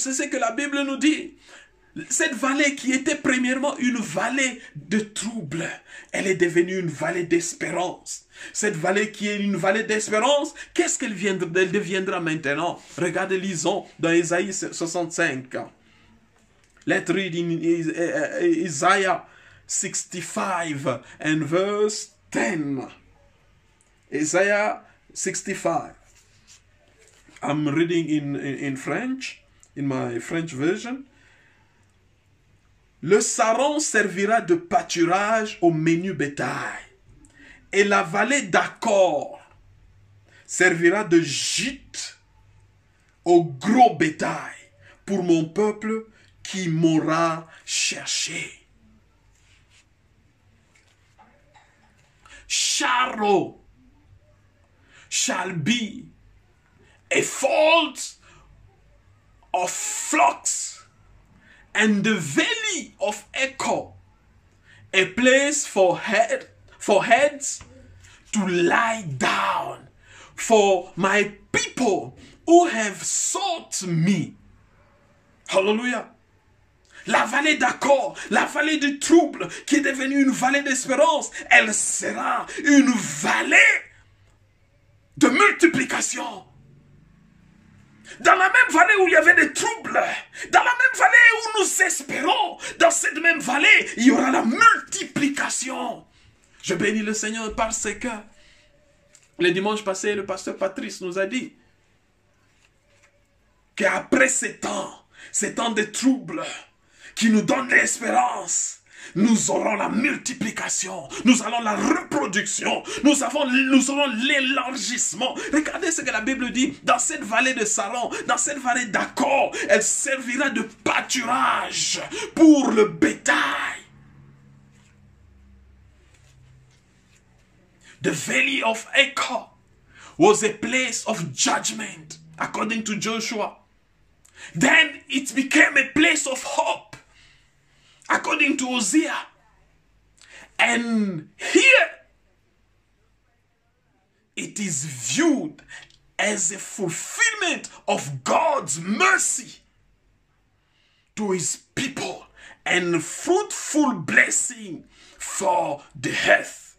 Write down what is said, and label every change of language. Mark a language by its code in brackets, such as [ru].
[fr] C'est ce que la Bible nous dit. Cette vallée qui était premièrement une vallée de troubles, elle est devenue une vallée d'espérance. Cette vallée qui est une vallée d'espérance, qu'est-ce qu'elle deviendra maintenant? Regardez, lisons dans Isaïe 65. [en] Let's read in Isaiah 65 and verse 10. Isaiah 65. I'm reading in French, in my French version. [fr] Le Saron servira de pâturage au menu bétail, et la vallée d'Accor servira de gîte au gros bétail pour mon peuple qui m'aura cherché. [en] Charo shall be a fold of flocks and the valley of Echo, a place for heads to lie down for my people who have sought me. Hallelujah. [fr] La vallée d'accord, la vallée du trouble qui est devenue une vallée d'espérance, elle sera une vallée de multiplication. Dans la même vallée où il y avait des troubles, dans la même vallée où nous espérons, dans cette même vallée, il y aura la multiplication. Je bénis le Seigneur parce que le dimanche passé, le pasteur Patrice nous a dit qu'après ces temps de troubles qui nous donnent l'espérance, nous aurons la multiplication, nous aurons la reproduction, nous aurons l'élargissement. Regardez ce que la Bible dit, dans cette vallée de Saron, dans cette vallée d'Accor, elle servira de pâturage pour le bétail. [en] The valley of Echo was a place of judgment, according to Joshua. Then it became a place of hope, according to Hosea. And here, it is viewed as a fulfillment of God's mercy to his people and fruitful blessing for the earth.